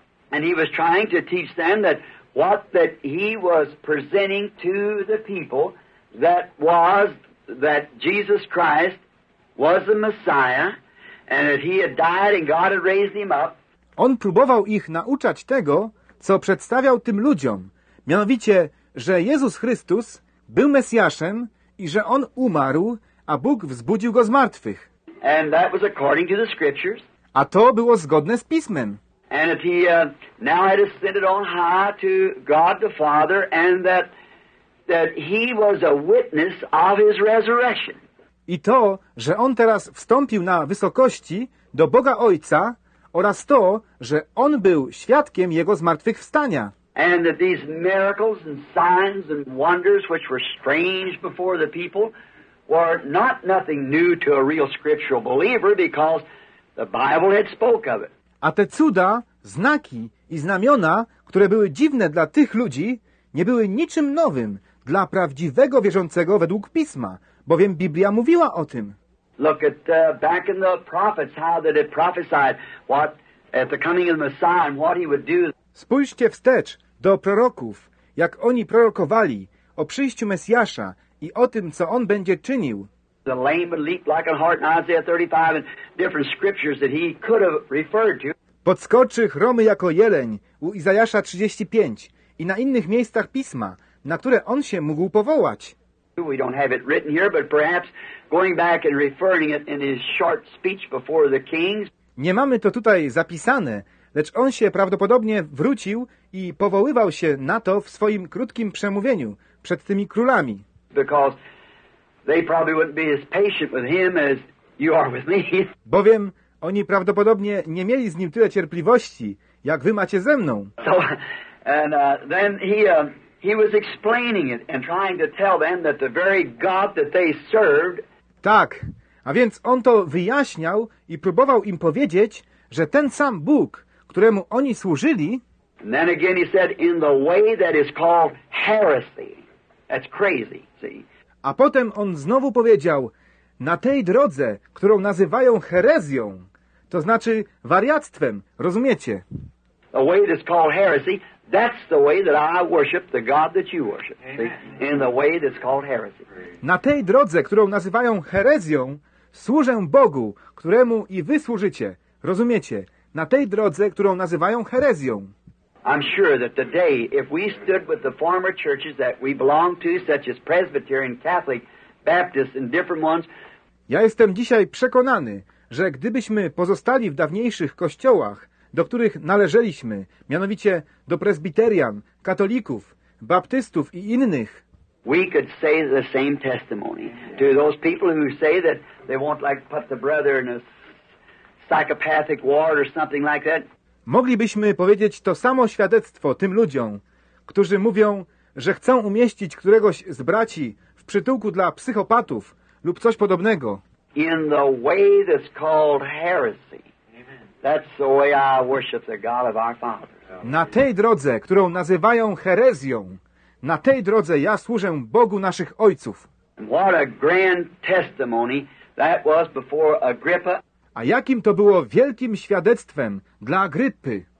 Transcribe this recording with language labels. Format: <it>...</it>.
<en>And he was trying to teach them that what that he was presenting to the people that was that Jesus Christ was the Messiah and that he had died and God had raised him up.</en> <pl>On próbował ich nauczać tego, co przedstawiał tym ludziom, mianowicie, że Jezus Chrystus był Mesjaszem i że On umarł, a Bóg wzbudził Go z martwych.</pl> <en>And that was according to the scriptures.</en> <pl>A to było zgodne z Pismem.</pl> <en>And that he now had ascended on high to God the Father and that he was a witness of his resurrection.</en> <pl>I to, że On teraz wstąpił na wysokości do Boga Ojca oraz to, że On był świadkiem Jego zmartwychwstania.</pl> <en>And that these miracles and signs and wonders which were strange before the people were not nothing new to a real scriptural believer because the Bible had spoke of it.</en> <pl>A te cuda, znaki i znamiona, które były dziwne dla tych ludzi, nie były niczym nowym dla prawdziwego wierzącego według Pisma, bowiem Biblia mówiła o tym.</pl> <en>Look at back in the prophets how that it prophesied what at the coming of the Messiah and what he would do.</en> <pl>Spójrzcie wstecz do proroków, jak oni prorokowali o przyjściu Mesjasza i o tym, co On będzie czynił.</pl> <en>The lame would leap like a hart in Isaiah 35 and different scriptures that he could have referred to.</en> <pl>Podskoczy chromy jako jeleń u Izajasza 35 i na innych miejscach Pisma, na które On się mógł powołać.</pl> <en>We don't have it written here, but perhaps going back and referring it in his short speech before the kings.</en> <pl>Nie mamy to tutaj zapisane, lecz On się prawdopodobnie wrócił i powoływał się na to w swoim krótkim przemówieniu przed tymi królami.</pl> <en>Because they probably wouldn't be as patient with him as you are with me.</en> <pl>Bowiem oni prawdopodobnie nie mieli z Nim tyle cierpliwości, jak Wy macie ze mną.</pl> <en>So, and then he was explaining it and trying to tell them that the very God that they served.</en> <pl>Tak, a więc On to wyjaśniał i próbował im powiedzieć, że ten sam Bóg, któremu oni służyli.</pl> <en>And then again he said, in the way that is called heresy. That's crazy, see.</en> <pl>A potem On znowu powiedział, na tej drodze, którą nazywają herezją, to znaczy wariactwem, rozumiecie?</pl> <en>The way that is called heresy, that's the way that I worship the God that you worship. See? In the way that's called heresy.</en> <pl>Na tej drodze, którą nazywają herezją, służę Bogu, któremu i wy służycie. Rozumiecie? Na tej drodze, którą nazywają herezją.</pl> <en>I'm sure that today, if we stood with the former churches that we belong to, such as Presbyterian, Catholic, Baptist, and different ones.</en> <pl>Ja jestem dzisiaj przekonany, że gdybyśmy pozostali w dawniejszych kościołach, do których należeliśmy, mianowicie do Presbyterian, Katolików, Baptystów i innych,</pl> <en>we could say the same testimony to those people who say that they won't like put the brother in a psychopathic ward or something like that.</en> <pl>Moglibyśmy powiedzieć to samo świadectwo tym ludziom, którzy mówią, że chcą umieścić któregoś z braci w przytułku dla psychopatów lub coś podobnego.</pl> <en>In the way that's called heresy. That's the way I worship the God of our fathers.</en> <pl>Na tej drodze, którą nazywają herezją, na tej drodze ja służę Bogu naszych ojców.</pl> <en>What a grand testimony that was before Agrippa.</en> <pl>A jakim to było wielkim świadectwem dla Agrypy.</pl>